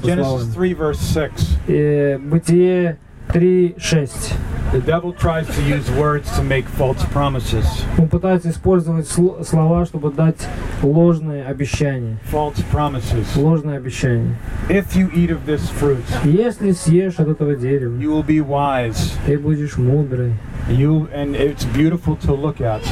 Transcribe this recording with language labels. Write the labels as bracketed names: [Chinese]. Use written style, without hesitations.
[English] Genesis 3 verse 6. [Russian] Бытие 3:6. [English] The devil tries to use words to make false promises. [Russian] Он пытается использовать слова, чтобы дать ложные обещания. [English] False promises. [Russian] Ложные обещания. [English] If you eat of this fruit, [Russian] если съешь от этого дерева, [English] you will be wise. [Russian] Ты будешь мудрый. [English] And it's beautiful to look at.